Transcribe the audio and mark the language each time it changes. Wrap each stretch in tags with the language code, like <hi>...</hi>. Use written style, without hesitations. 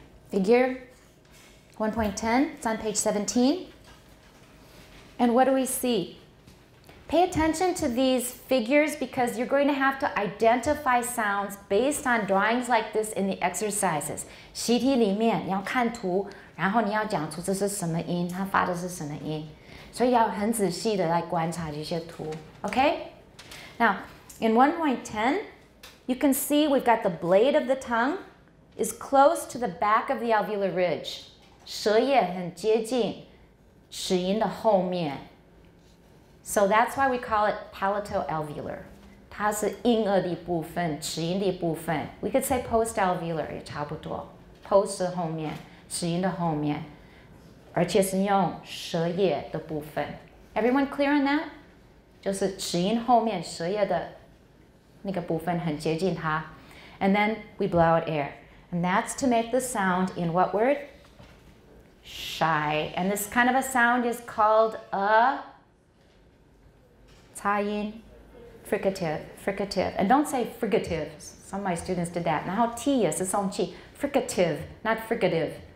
<en>Figure 1.10. It's on page 17. And what do we see? Pay attention to these figures because you're going to have to identify sounds based on drawings like this in the exercises.</en> <zh>习题里面你要看图，然后你要讲出这是什么音，它发的是什么音。所以要很仔细的来观察这些图 ,okay?</zh> <en>Now, in 1.10, you can see we've got the blade of the tongue is close to the back of the alveolar ridge.</en> <zh>舌叶很接近齿龈的后面。</zh> <en>So that's why we call it palatoalveolar.</en> <zh>它是婴儿的部分齿龈的部分。</zh> <en>We could say postalveolar</en> <zh>也差不多。Post 的后面齿龈的后面。而且是用舌叶的部分。</zh> <en>Everyone clear on that?</en> <zh>就是齿龈后面舌叶的那个部分很接近它。</zh> <en>And then we blow out air. And that's to make the sound in what word? Shy. And this kind of a sound is called a 擦音 fricative. And don't say fricative. Some of my students did that.</en> <zh>然后 T 也是送气</zh> <en>fricative, not fricative.</en>